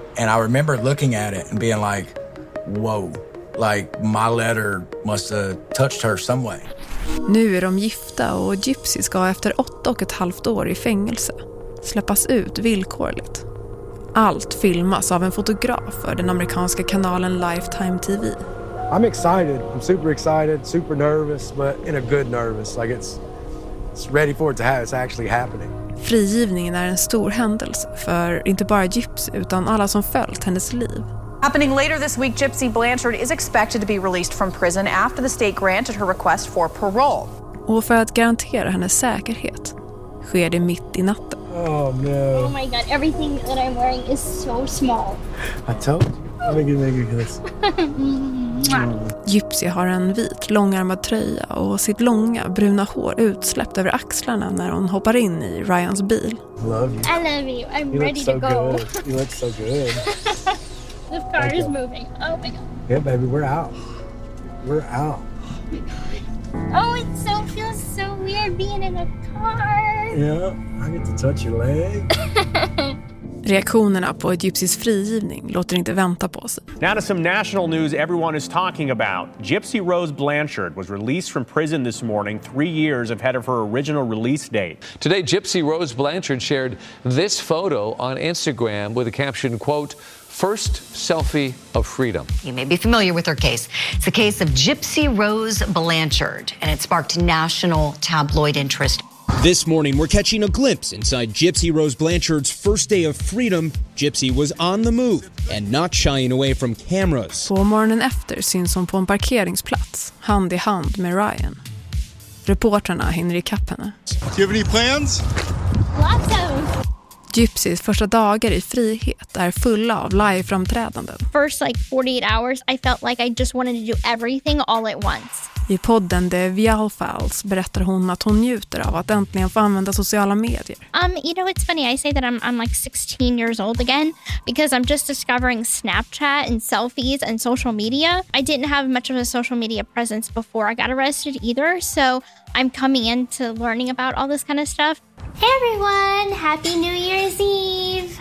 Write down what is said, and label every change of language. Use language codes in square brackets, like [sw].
[en] And I remember looking at it and being like, whoa, like my letter must have touched her some way. [sv] Nu är de gifta och Gypsy ska efter 8,5 år i fängelse släppas ut villkorligt. Allt filmas av en fotograf för den amerikanska kanalen Lifetime TV. [en] I'm excited. I'm super excited, super nervous, but in a good nervous. Like it's ready for it to happen. It's actually happening. [sv] Frigivningen är en stor händelse för inte bara Gypsy utan alla som följt hennes liv. [en] Happening later this week, Gypsy Blanchard is expected to be released from prison after the state granted her request for parole. [sv] Och för att garantera hennes säkerhet sker det mitt i natten. [en] Oh no. Oh my god, everything that I'm wearing is so small. I told you. Let me give you this. [sv] Gypsy har en vit, långarmad tröja och sitt långa, bruna hår utsläppt över axlarna när hon hoppar in i Ryans bil. [en] Love you. I love you. I'm you ready so to go. Good. You look so good. The car okay. is moving. Oh my god. Yeah, baby, we're out. We're out. Oh, it so feels so weird being in a car. Yeah, I get to touch your leg. [sv] Reaktionerna på Gypsys frigivning låter inte vänta på sig. [en] Now to some national news everyone is talking about. Gypsy Rose Blanchard was released from prison this morning, 3 years ahead of her original release date. Today, Gypsy Rose Blanchard shared this photo on Instagram with a caption, quote, first selfie of freedom. You may be familiar with her case. It's the case of Gypsy Rose Blanchard, and it sparked national tabloid interest. This morning, we're catching a glimpse inside Gypsy Rose Blanchard's first day of freedom. Gypsy was on the move and not shying away from cameras. [sv] På morgonen efter syns hon på en parkeringsplats, hand i hand med Ryan. Reporterna hinner i kapp henne. [en] Do you have any plans? Lots of. [sv] Gypsys första dagar i frihet är fulla av live-framträdanden. [en] First like 48 hours, I felt like I just wanted to do everything all at once. [sv] I podden The Vial Files berättar hon att hon njuter av att äntligen få använda sociala medier. [en] You know, it's funny. I say that I'm like 16 years old again because I'm just discovering Snapchat and selfies and social media. I didn't have much of a social media presence before I got arrested either, so I'm coming into learning about all this kind of stuff. Hey everyone, happy New Year's Eve.